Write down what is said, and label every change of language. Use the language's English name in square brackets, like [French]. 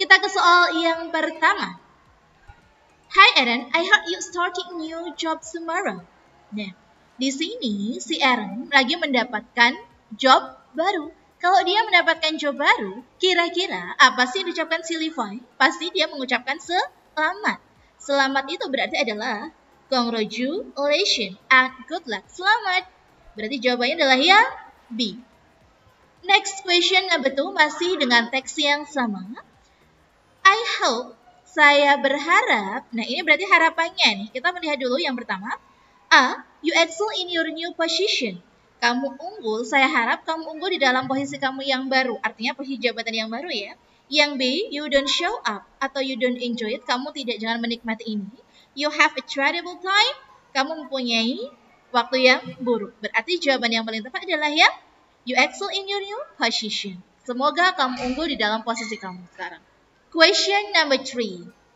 [Indonesian] Kita ke soal yang pertama. [English] Hi Aaron, I heard you starting new job tomorrow. [Indonesian] Nah, di sini si Aaron lagi mendapatkan job baru. Kalau dia mendapatkan job baru, kira-kira apa sih yang diucapkan si Levi? Pasti dia mengucapkan selamat. Selamat itu berarti adalah [English] congratulations and good luck. [Indonesian] Selamat. Berarti jawabannya adalah ya B. Next question, betul masih dengan teks yang sama. I hope, saya berharap. Nah, ini berarti harapannya nih. Kita melihat dulu yang pertama. [English] A, you excel in your new position. [Indonesian] Kamu unggul, saya harap kamu unggul di dalam posisi kamu yang baru. Artinya posisi jabatan yang baru ya. [English] Yang B, you don't show up atau you don't enjoy it. [Indonesian] Kamu tidak jangan menikmati ini. [English] You have a terrible time. [Indonesian] Kamu mempunyai waktu yang buruk. Berarti jawaban yang paling tepat adalah ya, [English] you excel in your new position. [Indonesian] Semoga kamu unggul di dalam posisi kamu sekarang. [English] Question number 3.